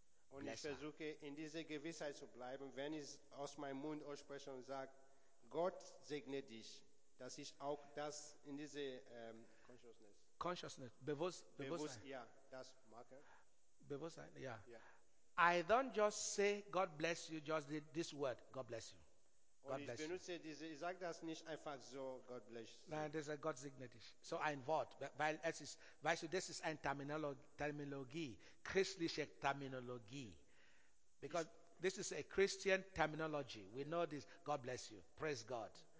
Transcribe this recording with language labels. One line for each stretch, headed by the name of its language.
German: Und
English: bless
German: ich versuche
English: her.
German: In dieser Gewissheit zu bleiben, wenn ich aus meinem Mund ausspreche und sage, Gott segne dich, dass ich auch das in diese consciousness bewusst ja das mache. Bewusstsein, ja.
English: Yeah. I don't just say God bless you, just this word, God bless you. God bless you.
German: Ich sage das nicht einfach so,
English: God bless you.
German: Nein, das ist ein Gott-Signetisch. So ein Wort, weil es ist, weißt du, das ist eine Terminologie, christliche Terminologie.
English: Because this is a Christian terminology. We know this, God bless you, praise God.